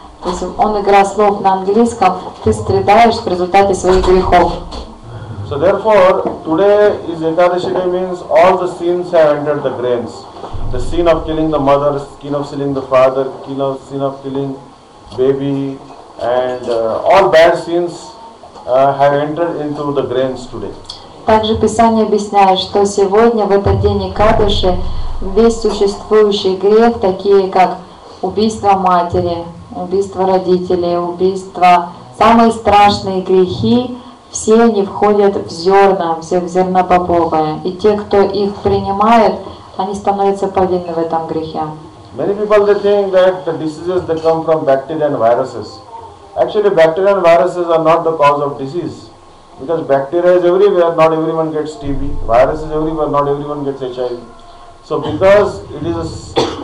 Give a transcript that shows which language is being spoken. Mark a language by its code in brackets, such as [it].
[ru] То есть, он игра слов на английском, ты страдаешь в результате своих грехов. [en] So therefore, today is Ekadashi day means all the sins have entered the grains. The sin of killing the mother, sin of killing the father, sin of killing baby, and all bad sins have entered into the grains today. [ru] Также Писание объясняет, что сегодня в этот день Экадаши весь существующий грех, такие как убийство матери, убийство родителей, убийство, самые страшные грехи, все они входят в зерна, все в зернобобовое, и те, кто их принимает, они становятся повинны в этом грехе. [en] Many people they think that the diseases that come from bacteria and viruses. Actually, bacteria and viruses are not the cause of disease, because bacteria is everywhere. Not everyone gets TB. Virus is everywhere. Not everyone gets HIV. So, because it is